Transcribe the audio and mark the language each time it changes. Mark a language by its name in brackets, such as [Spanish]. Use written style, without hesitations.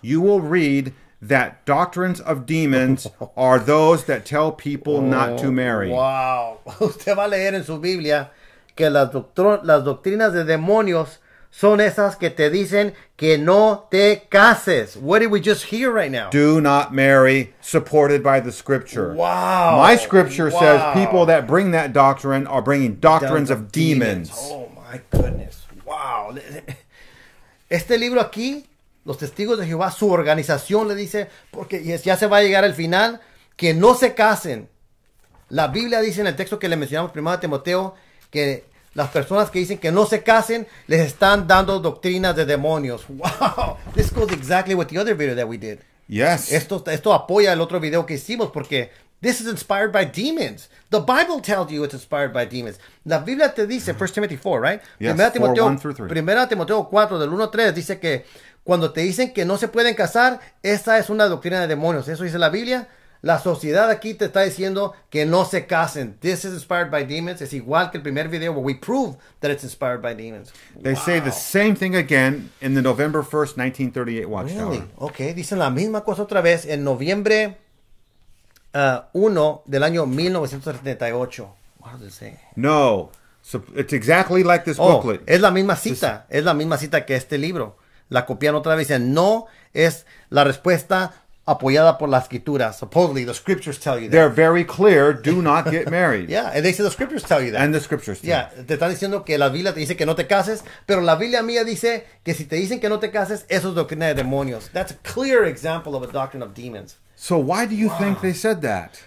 [English] You will read that doctrines of demons are those that tell people not to marry. Wow. [Spanish] Usted va a leer en su Biblia que las doctrinas de demonios son esas que te dicen que no te cases. [English] What did we just hear right now? Do not marry, supported by the scripture. Wow. My scripture says people that bring that doctrine are bringing doctrines of demons. Oh my goodness. Wow. [Spanish] Este libro aquí, los testigos de Jehová, su organización le dice, porque ya se va a llegar el final, que no se casen. La Biblia dice en el texto que le mencionamos, 1 Timoteo, que las personas que dicen que no se casen les están dando doctrinas de demonios. [English] Wow. This goes exactly with the other video that we did. Yes. [Spanish] Esto apoya el otro video que hicimos porque [English] this is inspired by demons. The Bible tells you it's inspired by demons. [Spanish] La Biblia te dice, [English] 1 Timothy 4, right? Yes, 1 Timoteo 1 through 3. [Spanish] 1 Timoteo 4 del 1 al 3 dice que cuando te dicen que no se pueden casar, esa es una doctrina de demonios. Eso dice la Biblia. La sociedad aquí te está diciendo que no se casen. [English] This is inspired by demons. [Spanish] Es igual que el primer video [English] where we prove that it's inspired by demons. They say the same thing again in the November 1st, 1938 Watchtower. Really? Okay. [Spanish] Dicen la misma cosa otra vez en noviembre 1 del año 1978. [English] What does it say? No. So it's exactly like this booklet. [Spanish] Es la misma cita. Es la misma cita que este libro. La copian otra vez. No es la respuesta apoyada por la escritura. [English] Supposedly, the scriptures tell you that. They're very clear, do not get married. Yeah, and they say the scriptures tell you that. And the scriptures tell you. [Spanish] Yeah, te están diciendo que la Biblia te dice que no te cases, pero la Biblia mía dice que si te dicen que no te cases, eso es doctrina de demonios. [English] That's a clear example of a doctrine of demons. So why do you think they said that?